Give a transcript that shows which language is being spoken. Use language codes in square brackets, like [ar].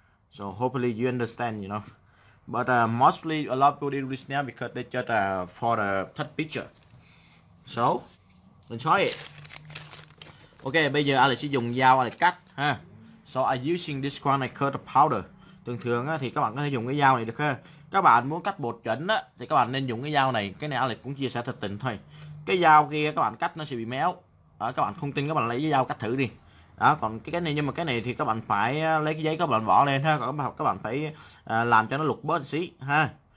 [en] So hopefully you understand, you know. But mostly a lot of people do this nail because they just for the third picture. So enjoy it. [vi] Okay, bây giờ Alex sẽ dùng dao để cắt ha. [en] So I using this one, I cut the powder. [vi] Thường thường á thì các bạn có thể dùng cái dao này được ha. Các bạn muốn cắt bột chuẩn á thì các bạn nên dùng cái dao này. Cái này Alex cũng chia sẻ thật tình thôi. Cái dao kia các bạn cắt nó sẽ bị méo. Đó, các bạn không tin các bạn lấy cái dao cắt thử đi. Đó, còn cái này nhưng mà cái này thì các bạn phải lấy cái giấy các bạn bỏ lên ha. Các bạn phải làm cho nó lục bớt xí ha.